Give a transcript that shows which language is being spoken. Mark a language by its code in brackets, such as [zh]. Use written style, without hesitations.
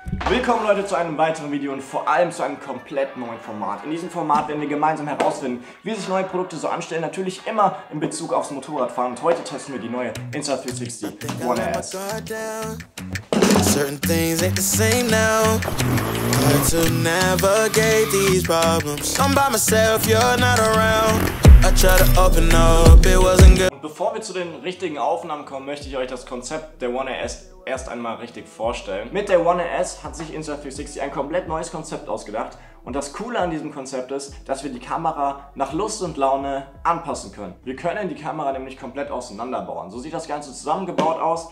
[de] Willkommen Leute zu einem weiteren Video und vor allem zu einem komplett neuen Format. In diesem Format werden wir gemeinsam herausfinden, wie sich neue Produkte so anstellen. Natürlich immer in Bezug aufs Motorradfahren. Und heute testen wir die neue Insta360 One S. [en] Certain things ain't the same now. Hard to navigate these problems. I'm by myself, you're not around. I try to open up, it wasn't good. [de] Und bevor wir zu den richtigen Aufnahmen kommen, möchte ich euch das Konzept der One S erst einmal richtig vorstellen. Mit der One S hat sich Insta360 ein komplett neues Konzept ausgedacht. Und das Coole an diesem Konzept ist, dass wir die Kamera nach Lust und Laune anpassen können. Wir können die Kamera nämlich komplett auseinanderbauen. So sieht das Ganze zusammengebaut aus.